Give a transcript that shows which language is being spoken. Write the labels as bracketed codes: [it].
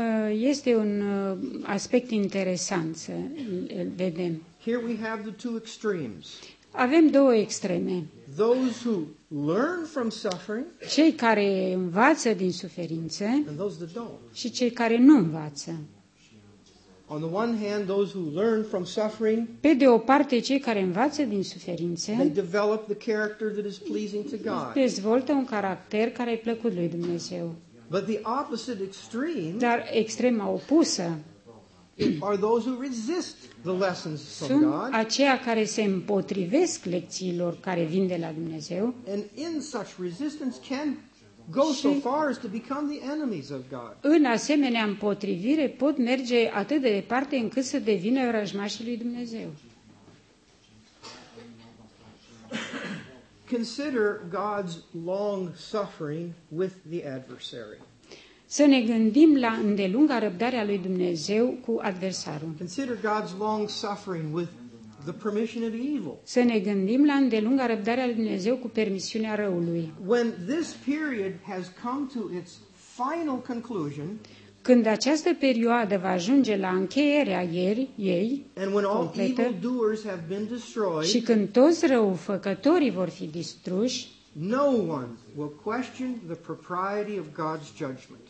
[ro] Este un aspect interesant să vedem. [en] Here we have the two extremes. [ro] Avem două extreme. [en] Those who learn from suffering, [ro] cei care învață din suferință, [en] and those that don't. [ro] Și cei care nu învață. [en] On the one hand, those who learn from suffering, [ro] pe de o parte, cei care învață din suferință, [en] they develop the character that is pleasing to God. [ro] Dezvoltă un caracter care e plăcut lui Dumnezeu. [en] But the opposite extreme, [ro] dar extrema opusă, [en] are those who resist the lessons from God. [ro] Sunt aceia care se împotrivesc lecțiilor care vin de la Dumnezeu. [en] And in such resistance can go so far as to become the enemies of God. [ro] În asemenea împotrivire pot merge atât de departe încât să devină vrăjmașii lui Dumnezeu. [en] Consider God's long suffering with the adversary. [ro] Să ne gândim la îndelunga răbdare a lui Dumnezeu cu adversarul. [en] Consider God's long suffering with the permission of evil. [ro] Să ne gândim la îndelunga răbdare a lui Dumnezeu cu permisiunea răului. [en] When this period has come to its final conclusion, [ro] când această perioadă va ajunge la încheierea ei, [en] and when all [ro] completă, [en] evil doers have been destroyed, [ro] și când toți răufăcătorii vor fi distruși, [en] no one will question the propriety of God's judgment.